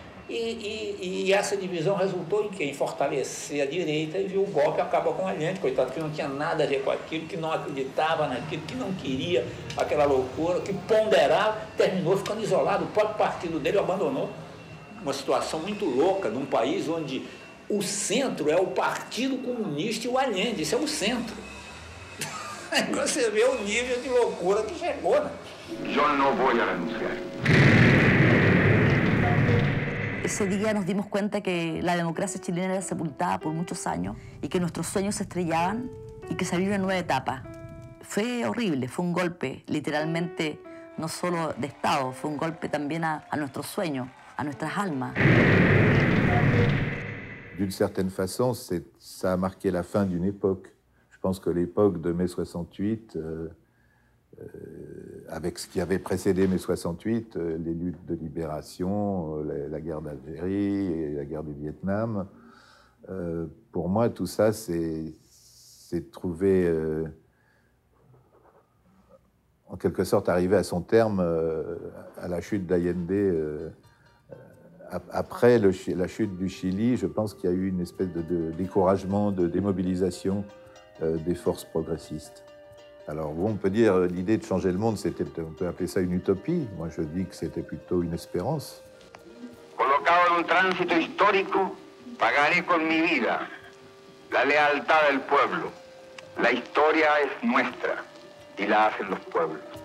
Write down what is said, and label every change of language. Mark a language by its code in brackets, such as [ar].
[pt] E essa divisão resultou em quê? Em fortalecer a direita e viu o golpe acaba com a gente, coitado, que não tinha nada a ver com aquilo, que não acreditava naquilo, que não queria aquela loucura, que ponderava, terminou ficando isolado. O próprio partido dele abandonou. Uma situação muito louca num país onde o centro é o Partido Comunista e o Allende. Isso é o centro. Você vê o nível de loucura que chegou, né? Eu não vou renunciar. [es] Ese día nos dimos cuenta que la democracia chilena era sepultada por muchos años y que nuestros sueños se estrellaban y que se abrió una nueva etapa. Fue horrible, fue un golpe, literalmente, no solo de Estado, fue un golpe también a nuestros sueños, a nuestras almas. [fr] D'une certaine façon, c'est, ça a marqué la fin d'une époque. Je pense que l'époque de mai 68, avec ce qui avait précédé mai 68, les luttes de libération, la guerre d'Algérie et la guerre du Vietnam, pour moi, tout ça, c'est trouvé, en quelque sorte, arrivé à son terme à la chute d'Allende. Après la chute du Chili, je pense qu'il y a eu une espèce de découragement, de démobilisation des forces progressistes. Alors, on peut dire l'idée de changer le monde, c'était, on peut appeler ça une utopie. Moi, je dis que c'était plutôt une espérance. [es] Colocado en un tránsito histórico, pagaré con mi vida la lealtad del pueblo. La historia es nuestra y la hacen los pueblos.